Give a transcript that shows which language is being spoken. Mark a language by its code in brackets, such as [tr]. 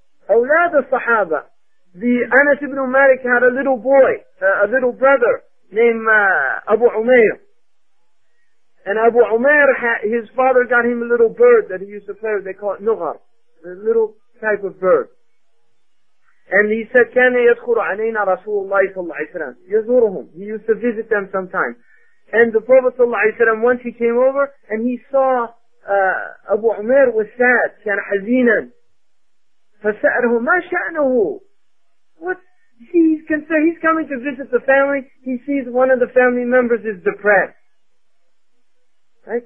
[en] Awlad al-sahaba. The Anas ibn Malik had a little boy, a little brother named Abu Umair. And Abu Umair, his father got him a little bird that he used to play with. They call it nughar, a little type of bird. And he said, [ar] كان يدخل علينا رسول الله صلى الله عليه وسلم يزورهم. [en] He used to visit them sometime. And the Prophet صلى الله عليه وسلم, once he came over and he saw Abu Umair was sad, [ar] كان حزينا. فسأله ما شأنه. [en] What? he's coming to visit the family. He sees one of the family members is depressed. Right?